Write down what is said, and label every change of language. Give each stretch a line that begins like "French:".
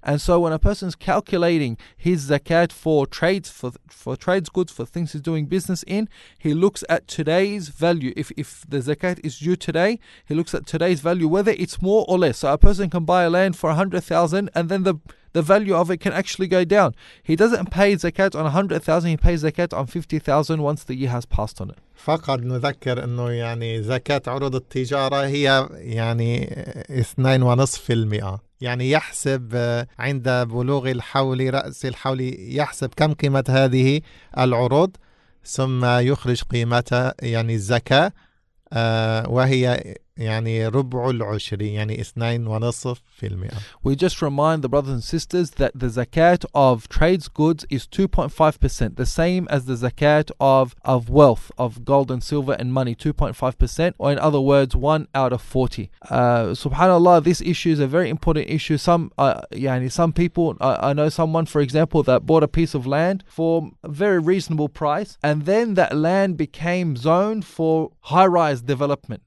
English: And so when a person's calculating his zakat for trades, for trades goods, for things he's doing business in, he looks at today's value. If the zakat is due today, he looks at today's value, whether it's more or less. So a person can buy a land for 100,000 and then the value of it can actually go down. He doesn't pay zakat on 100,000, he pays zakat on 50,000 once the year has passed on it.
Arabic: فقط نذكر انه يعني زكاه عروض التجاره هي يعني 2.5%. يعني يحسب عند بلوغ الحول راس الحول يحسب كم قيمه هذه العروض ثم يخرج قيمتها يعني الزكاه وهي يعني ربع العشرين يعني 2.5%.
English: We just remind the brothers and sisters that the zakat of trades goods is 2.5%, the same as the zakat of wealth, of gold and silver and money, 2.5%, or in other words, 1 out of 40. Subhanallah, this issue is a very important issue. Some people, I know someone, for example, that bought a piece of land for a very reasonable price, and then that land became zoned for high-rise development.